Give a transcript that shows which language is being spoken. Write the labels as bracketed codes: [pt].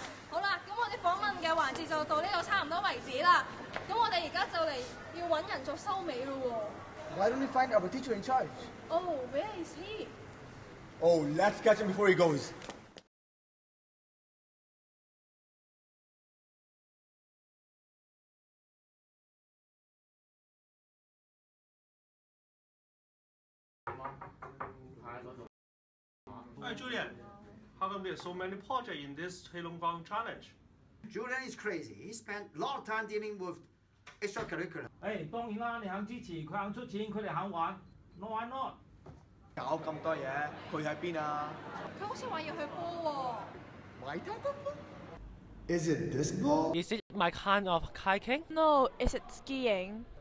[yue] 好啦，咁我哋訪問嘅環節就到呢度差唔多為止啦。咁我哋而家就嚟要揾人做收尾咯喎。 [en] Why don't we find our teacher in charge? Oh, where is he? Oh, let's catch him before he goes. Julian, how come there's so many projects in this Heilongjiang challenge? Julian is crazy. He spent a lot of time dealing with extracurricular. [yue] Hey, 當然啦，你肯支持，佢肯出錢，佢哋肯玩。 [en] No, why not? [yue] 搞咁多嘢，佢喺邊啊？佢好似話要去波喎。 [en] My type of ball? Is it this ball? Is it my kind of kayaking? No, is it skiing?